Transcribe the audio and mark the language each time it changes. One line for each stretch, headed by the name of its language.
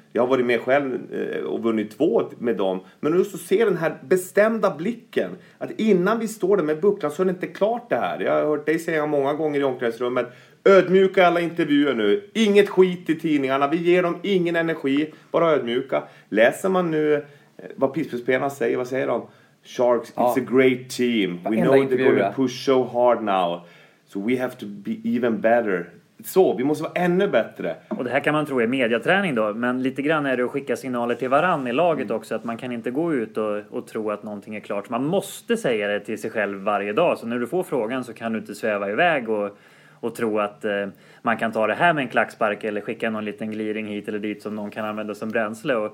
Swedish: Jag har varit med själv och vunnit 2 med dem. Men just att se den här bestämda blicken. Att innan vi står där med bucklan så är det inte klart det här. Jag har hört dig säga många gånger i omklädningsrummet. Ödmjuka alla intervjuer nu. Inget skit i tidningarna. Vi ger dem ingen energi. Bara ödmjuka. Läser man nu vad Pittsburgh-spelarna säger. Vad säger de?
English: Sharks, it's a great team. We know they're going to push so hard now. So we have to be even better.
Swedish: Så, vi måste vara ännu bättre. Och det här kan man tro är mediaträning då. Men lite grann är det att skicka signaler till varann i laget också. Att man kan inte gå ut och tro att någonting är klart. Man måste säga det till sig själv varje dag. Så när du får frågan så kan du inte sväva iväg och tro att man kan ta det här med en klackspark eller skicka någon liten gliring hit eller dit som någon kan använda som bränsle.